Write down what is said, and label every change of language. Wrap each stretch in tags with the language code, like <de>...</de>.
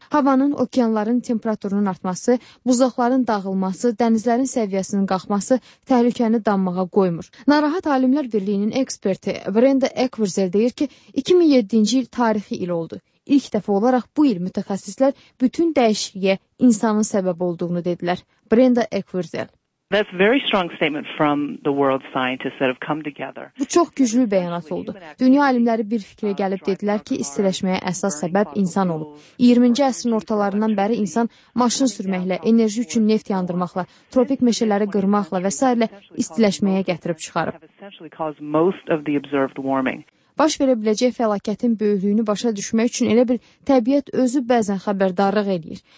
<az>Havanın, okeanların temperaturunun artması, buzlaqların dağılması, dənizlərin səviyyəsinin qalxması təhlükəni danmağa qoymur. Narahat Alimlər Birliyinin eksperti Brenda Ekwerzel deyir ki, 2007-ci il tarixi il oldu. İlk dəfə olaraq bu il mütəxəssislər bütün dəyişikliyə insanın səbəb olduğunu dedilər. Brenda Ekwerzel.</az> <en>That's very strong statement from the world scientists that have come together.</en> <az>Bu çox güclü bəyanat oldu. Dünya alimləri bir fikrə gəlib dedilər ki, istiləşməyə əsas səbəb insan olub. 20-ci əsrin ortalarından bəri insan maşın sürməklə, enerji üçün neft yandırmaqla, tropik meşələri qırmaqla və s. istiləşməyə gətirib çıxarıb. Baş verə biləcək fəlakətin böyüklüyünü başa düşmək üçün elə bir təbiət özü bəzən xəbərdarlıq eləyir.</az>